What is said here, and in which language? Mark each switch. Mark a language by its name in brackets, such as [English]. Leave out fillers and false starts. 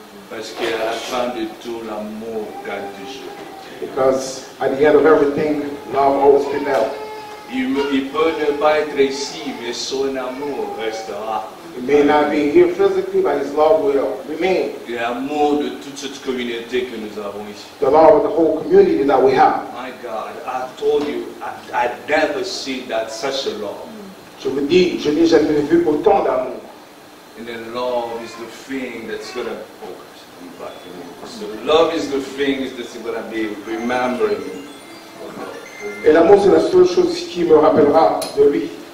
[French] Parce que à la fin de tout, l'amour gagne toujours. [English] Because at the end of everything, love always prevails. [French] Il peut ne pas être ici, mais son amour restera. [English] It may not be here physically, but his love will remain. [French] L'amour de toute cette communauté que nous avons ici. [English] The love of the whole community that we have. My God, I told you, I never seen that such a love. [French] Je vous dis, je n'ai jamais vu autant d'amour. [English] And then love is the thing that's going to focus me back. So love is the thing that's going to be remembering. [French] Et l'amour, c'est la seule chose qui me rappellera de lui.